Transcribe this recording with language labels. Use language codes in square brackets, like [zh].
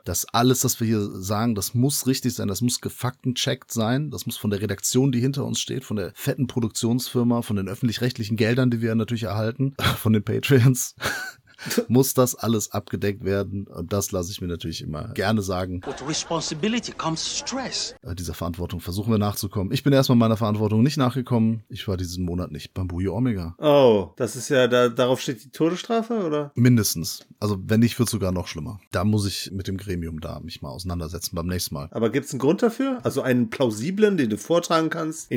[de] Das alles, was wir hier sagen, das muss richtig sein, das muss gefaktencheckt sein, das muss von der Redaktion, die hinter uns steht, von der fetten Produktionsfirma, von den öffentlich-rechtlichen Geldern, die wir natürlich erhalten, von den Patreons. Muss das alles abgedeckt werden? Und das lasse ich mir natürlich immer gerne sagen. [en] With responsibility comes stress. [de] Dieser Verantwortung versuchen wir nachzukommen. Ich bin erstmal meiner Verantwortung nicht nachgekommen. Ich war diesen Monat nicht beim Bujo Omega. Oh, das ist ja, darauf steht die Todesstrafe, oder? Mindestens. Also wenn nicht, wird es sogar noch schlimmer. Da muss ich mit dem Gremium da mich mal auseinandersetzen beim nächsten Mal. Aber gibt es einen Grund dafür? Also einen plausiblen, den du vortragen kannst?